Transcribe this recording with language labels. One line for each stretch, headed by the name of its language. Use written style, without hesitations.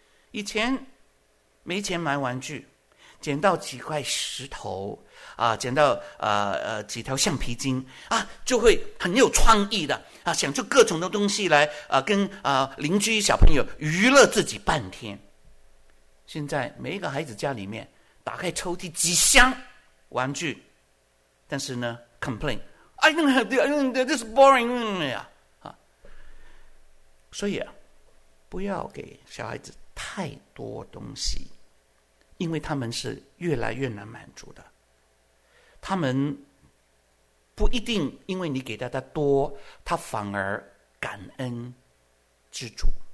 Chinese: 以前没钱买玩具，捡到几块石头啊，捡到几条橡皮筋啊，就会很有创意的啊，想出各种的东西来跟邻居小朋友娱乐自己半天。现在每一个孩子家里面打开抽屉几箱玩具，但是呢 complain。
English: I don't have this is boring.
Chinese: 所以啊，不要给小孩子太多东西，因为他们是越来越难满足的。他们不一定因为你给他的多，他反而感恩知足。